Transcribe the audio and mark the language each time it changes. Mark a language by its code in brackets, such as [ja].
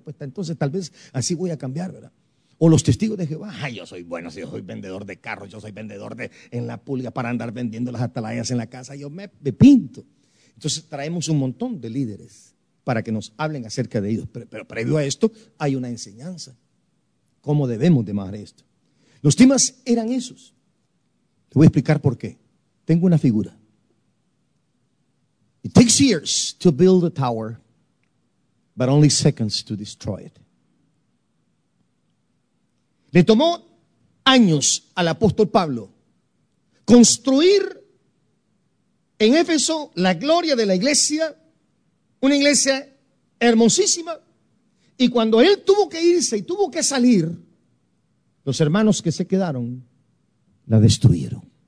[es] Pues entonces tal vez así voy a cambiar, ¿verdad? O los testigos de Jehová, ay, yo soy bueno, yo soy vendedor de carros, yo soy vendedor de en la pulga para andar vendiendo las atalayas en la casa, yo me pinto. Entonces traemos un montón de líderes para que nos hablen acerca de ellos. Pero previo a esto hay una enseñanza, cómo debemos de manejar esto. Los temas eran esos. Te voy a explicar por qué. Tengo una figura. [en] It takes years to build a tower, but only seconds to destroy it. [es] Le tomó años al apóstol Pablo construir en Éfeso la gloria de la iglesia, una iglesia hermosísima. Y cuando él tuvo que irse y tuvo que salir, los hermanos que se quedaron la destruyeron.